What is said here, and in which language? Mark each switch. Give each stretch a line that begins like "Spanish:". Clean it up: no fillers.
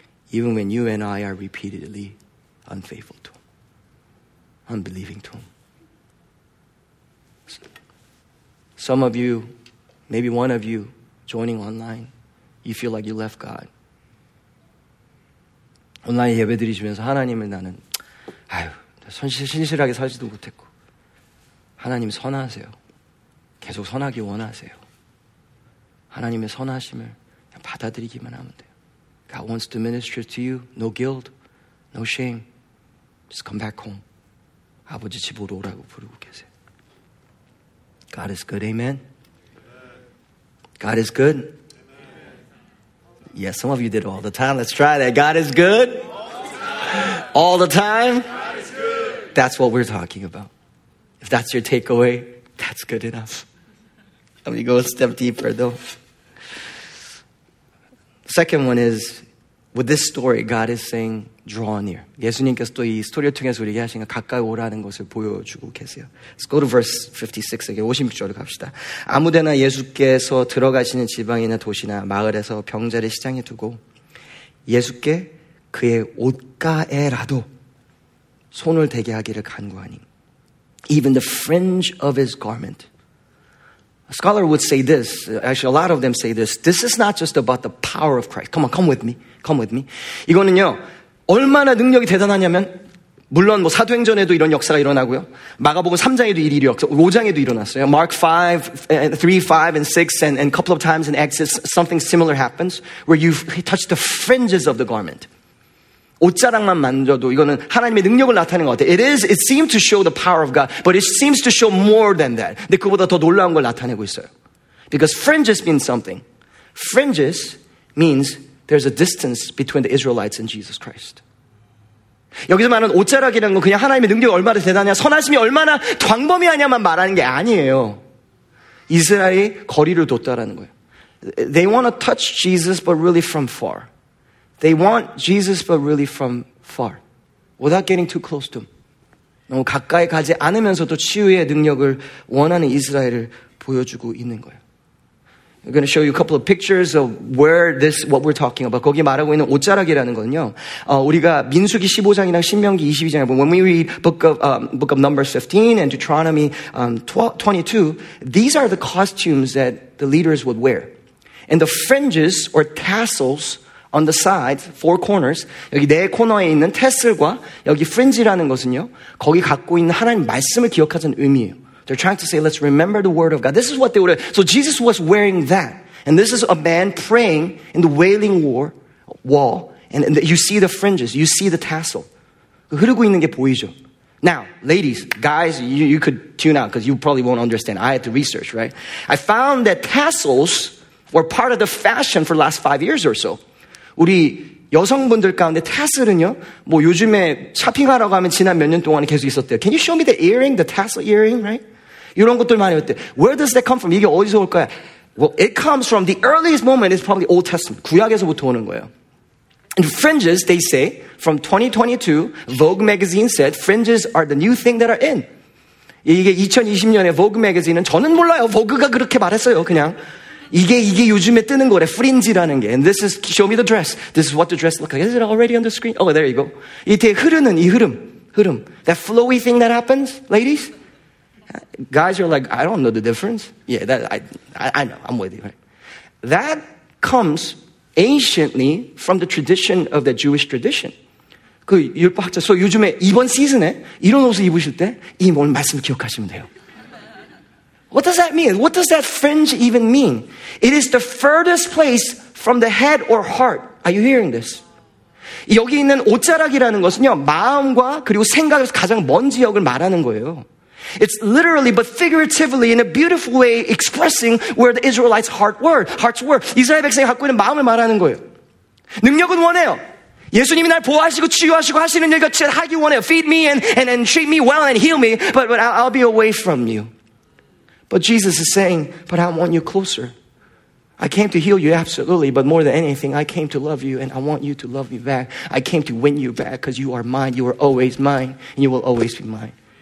English: Even when you and I are repeatedly unfaithful to him. Unbelieving to him. Some of you, maybe one of you joining online, you feel like you left God.
Korean: 온라인 예배 드리시면서 하나님을 나는 신실하게 살지도 못했고 하나님 선하세요. 계속 선하기 원하세요. 하나님의 선하심을 그냥 받아들이기만 하면 돼요.
English: God wants to minister to you. No guilt, no shame. Just come back home.
Korean: 아버지 집으로 오라고 부르고 계세요.
English: God is good, amen? God is good? Yes, yeah, some of you did all the time. Let's try that. God is good? All the time? That's what we're talking about. If that's your takeaway, that's good enough. Let me go a step deeper, though. Second one is, with this story, God is saying, draw near.
Korean: 예수님께서 또 이 스토리를 통해서 우리에게 하신 것 가까이 오라는 것을 보여주고 계세요.
English: Let's go to verse 56.
Korean: 56절을 갑시다. 아무데나 예수께서 들어가시는 지방이나 도시나 마을에서 병자를 시장에 두고 예수께 그의 옷가에라도 손을 대게 하기를 간구하니.
English: Even the fringe of his garment. A scholar would say this. Actually, a lot of them say this. This is not just about the power of Christ. Come on, come with me. Come with me.
Korean: 이거는요. 얼마나 능력이 대단하냐면 물론 뭐 사도행전에도 이런 역사가 일어나고요. 마가복음 3장에도 일이 역사, 5장에도 일어났어요.
English: Mark 5, 3, 5 and 6 and a couple of times in Acts something similar happens where you touch the fringes of the garment.
Korean: 옷자락만 만져도 이거는 하나님의 능력을 나타내는 것 같아요.
English: It seems to show the power of God, but it seems to show more than that.
Korean: 근데 그보다 더 놀라운 걸 나타내고 있어요.
English: Because fringes mean something. Fringes means there's a distance between the Israelites and Jesus Christ.
Korean: 여기서 말하는 옷자락이라는 건 그냥 하나님의 능력이 얼마나 대단하냐, 선하심이 얼마나 광범위하냐만 말하는 게 아니에요. 이스라엘이 거리를 뒀다라는 거예요.
English: They want to touch Jesus, but really from far. They want Jesus, but really from far. Without getting too close to him.
Korean: 너무 가까이 가지 않으면서도 치유의 능력을 원하는 이스라엘을 보여주고 있는 거예요.
English: I'm going to show you a couple of pictures of where this, what we're talking about.
Korean: 거기 말하고 있는 옷자락이라는 건요. 우리가 민수기 15장이랑 신명기 22장에 보면,
English: when we read book of Numbers 15 and Deuteronomy 22, these are the costumes that the leaders would wear. And the fringes or tassels on the sides, four corners,
Korean: 여기 네 코너에 있는 테슬과 여기 프린지라는 것은요. 거기 갖고 있는 하나님 말씀을 기억하는 의미예요.
English: They're trying to say, let's remember the word of God. This is what they would have. So Jesus was wearing that. And this is a man praying in the wailing wall. And you see the fringes. You see the tassel.
Korean: 흐르고 있는 게 보이죠?
English: Now, ladies, guys, you could tune out because you probably won't understand. I had to research, right? I found that tassels were part of the fashion for the last 5 years or so.
Korean: 우리 여성분들 가운데 tassel은요, 뭐 요즘에 샤핑하라고 하면 지난 몇 년 동안에 계속 있었대요.
English: Can you show me the earring, the tassel earring, right?
Korean: 이런 것들 많이 했대.
English: Where does that come from?
Korean: 이게 어디서 올 거야?
English: Well, it comes from the earliest moment. It's probably Old Testament.
Korean: 구약에서부터 오는 거예요.
English: And fringes, they say, from 2022, Vogue magazine said, fringes are the new thing that are in.
Korean: 이게 2020년에 Vogue magazine은 저는 몰라요. Vogue가 그렇게 말했어요, 그냥. 이게 요즘에 뜨는 거래, 프린지라는 게.
English: And this is, show me the dress. This is what the dress looks like. Is it already on the screen? Oh, there you go.
Korean: 이게 흐르는, 이 흐름.
English: That flowy thing that happens, ladies? Guys are like, I don't know the difference. Yeah, that, I know, I'm with you, right? That comes anciently from the tradition of the Jewish tradition.
Korean: 그 율법학자, so 요즘에 이번 시즌에 이런 옷을 입으실 때, 이 오늘 말씀 기억하시면 돼요.
English: What does that mean? What does that fringe even mean? It is the furthest place from the head or heart. Are you hearing this?
Korean: 여기 있는 옷자락이라는 것은요, 마음과 그리고 생각에서 가장 먼 지역을 말하는 거예요.
English: It's literally but figuratively in a beautiful way expressing where the Israelites' hearts were.
Korean: 이스라엘 백성이 갖고 있는 마음을 말하는 거예요. 능력은 원해요. 예수님이 날 보호하시고 치유하시고 하시는 일같이 하기 원해요.
English: Feed me and treat me well and heal me, but I'll be away from you. But Jesus is saying, but I want you closer. I came to heal you, absolutely. But more than anything, I came to love you, and I want you to love me back. I came to win you back, because you are mine. You are always mine, and you will always be mine.